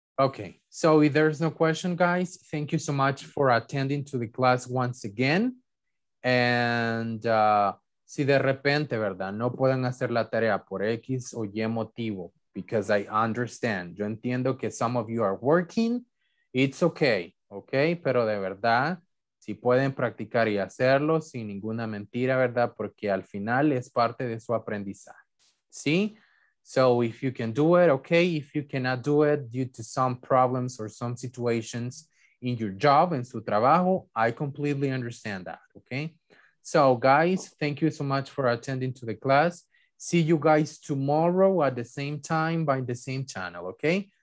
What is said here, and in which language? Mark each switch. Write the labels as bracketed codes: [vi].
[en] Okay, so if there's no question, guys, thank you so much for attending to the class once again. [es] And si de repente, ¿verdad? No pueden hacer la tarea por X o Y motivo, [en] because I understand. [es] Yo entiendo que [en] some of you are working. It's okay, okay? [es] Pero de verdad, si pueden practicar y hacerlo sin ninguna mentira, ¿verdad? Porque al final es parte de su aprendizaje, ¿sí? [en] So if you can do it, okay. If you cannot do it due to some problems or some situations, in your job, [es] en su trabajo, [en] I completely understand that, okay? So, guys, thank you so much for attending to the class. See you guys tomorrow at the same time by the same channel, okay?